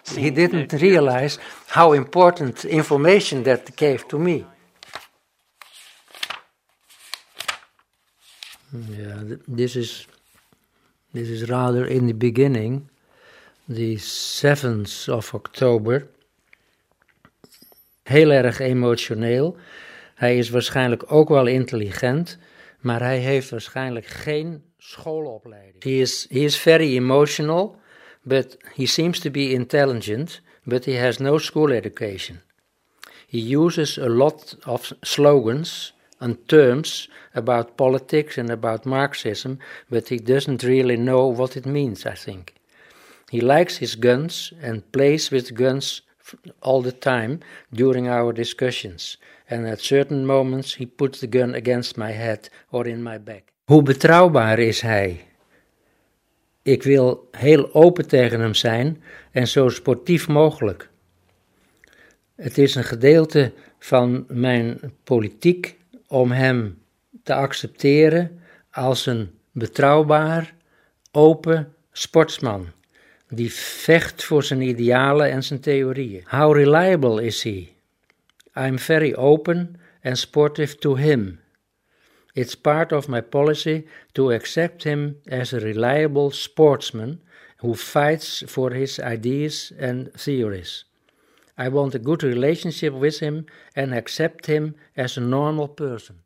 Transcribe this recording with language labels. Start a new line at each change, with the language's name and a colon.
English: He didn't realize how important information that gave to me. Yeah, this is rather in the beginning, the 7th of October.
Dutch: Heel erg emotioneel. Hij is waarschijnlijk ook wel intelligent, maar hij heeft waarschijnlijk geen schoolopleiding.
English: He is very emotional, but he seems to be intelligent, but he has no school education. He uses a lot of slogans and terms about politics and about Marxism, but he doesn't really know what it means, I think. He likes his guns and plays with guns all the time during our discussions, and at certain moments he puts the gun against my head or in my back.
Dutch: Hoe betrouwbaar is hij? Ik wil heel open tegen hem zijn en zo sportief mogelijk. Het is een gedeelte van mijn politiek om hem te accepteren als een betrouwbaar, open sportsman die vecht voor zijn idealen en zijn theorieën.
English: How reliable is he? I'm very open and sportive to him. It's part of my policy to accept him as a reliable sportsman who fights for his ideas and theories. I want a good relationship with him and accept him as a normal person.